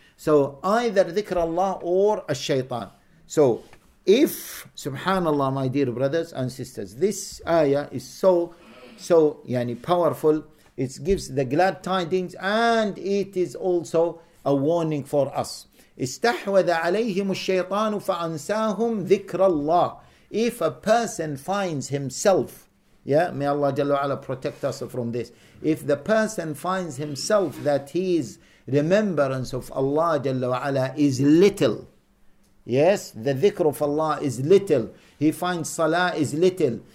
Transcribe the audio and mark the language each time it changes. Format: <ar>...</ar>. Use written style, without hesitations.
<en>So either dhikr Allah or a shaytan. So if, subhanAllah, my dear brothers and sisters, this ayah is so powerful, it gives the glad tidings and it is also a warning for us.</en> <ar>استحوذ عليهم الشيطان فأنساهم ذكر الله.</ar> <en>If a person finds himself, yeah, may Allah Jalla wa'ala protect us from this. If the person finds himself that he is remembrance of Allah Jalla wa'ala is little. Yes, the dhikr of Allah is little. He finds salah is little.</en>